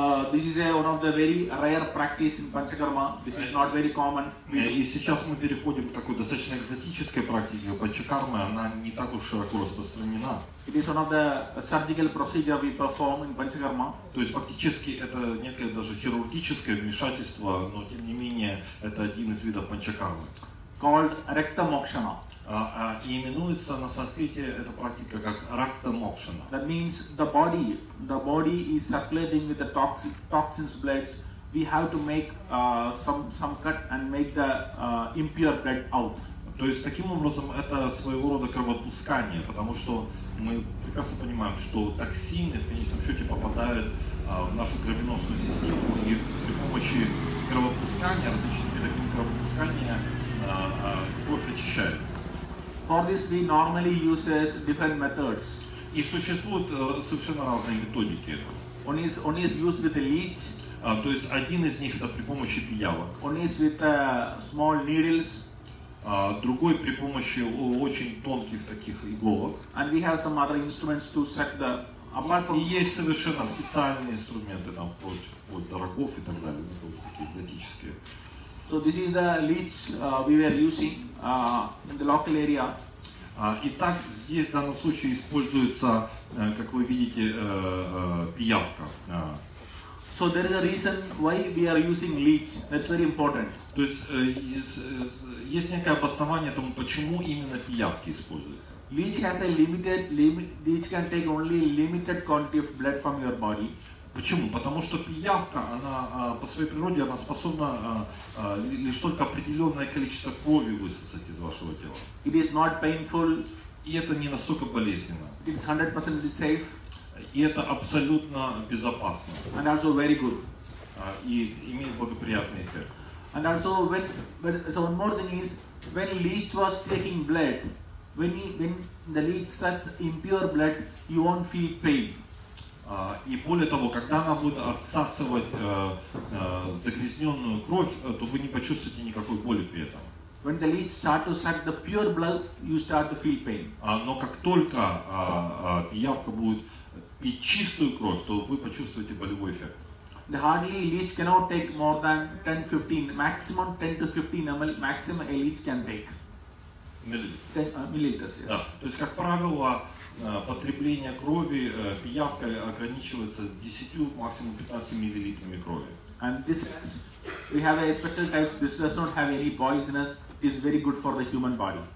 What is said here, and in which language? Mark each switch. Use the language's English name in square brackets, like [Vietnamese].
[English] This is one of the very rare practice in Panchakarma. This is not very common. [Russian] И сейчас мы переходим к такой достаточно экзотической практике Панчакармы. Она не так уж широко распространена. [English] It is one of the surgical procedure we perform in Panchakarma. [Russian] То есть фактически это некое даже хирургическое вмешательство, но тем не менее это один из видов Панчакармы. [English] Called rectamokshana. [Russian] И именуется на санскрите эта практика как рактамокшана. [English] That means the body is circulating with the toxins bloods. We have to make some cut and make the impure blood out. [Russian] То есть таким образом это своего рода кровопускание, потому что мы прекрасно понимаем, что токсины в конечном счете попадают в нашу кровеносную систему, и при помощи кровопускания, различных видов кровопускания, кровь очищается. [English] For this, we normally use different methods. [Russian] И существуют совершенно разные методики. [English] One is used with a leech. [Russian] То есть один из них это при помощи пиявок. [English] One is with small needles. [Russian] Другой при помощи очень тонких таких иголок. [English] And we have some other instruments to suck the. Apart from. [Russian] И есть совершенно специальные инструменты там от дорогов и так далее, тоже такие экзотические. [English] So this is the leech we were using in the local area. [Russian] Итак, здесь в данном случае используется, как вы видите, пиявка. [English] So there is a reason why we are using leech. That's very important. [Russian] То есть есть некое обоснование тому, почему именно пиявки используются. [English] Leech has a limited limit. Leech can take only limited quantity of blood from your body. [Russian] Почему? Потому что пиявка, она по своей природе, она способна лишь только определенное количество крови высосать из вашего тела. [English] It is not painful. [Russian] И это не настолько болезненно. [English] It is 100% safe. [Russian] И это абсолютно безопасно. [English] And also very good. [Russian] И имеет благоприятный эффект. [English] And also so one more thing is when leech was taking blood, when the leech sucks impure blood, you won't feel pain. [Russian] И более того, когда она будет отсасывать загрязненную кровь, то вы не почувствуете никакой боли при этом. [English] When the leech start to suck the pure blood, you start to feel pain. [Russian] Но как только пиявка будет пить чистую кровь, то вы почувствуете болевой эффект. [English] The hardly leech cannot take more than 10-15, maximum 10-15 ml, maximum a leech can take. Milliliters. Yes. [Russian] Да. То есть, как правило, потребление крови пиявкой ограничивается 10, максимум 15 миллилитрами крови. [English] And this has, we have a special type, this does not have any poisonous, is very good for the human body.